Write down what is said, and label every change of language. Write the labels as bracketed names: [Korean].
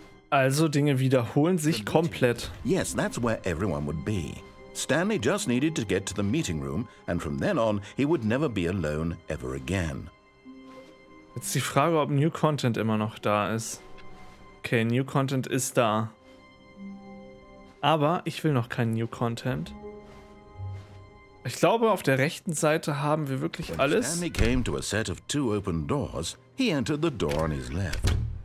[German] Also Dinge wiederholen sich komplett. [English] Yes, that's where everyone would be. Stanley just needed to get to the meeting room and from then on he would never be alone ever again. [German] Jetzt die Frage, ob New Content immer noch da ist. Okay, New Content ist da. Aber ich will noch keinen New Content. Ich glaube, auf der rechten Seite haben wir wirklich alles. [English] Stanley came to a set of two open doors. He entered the door on his left.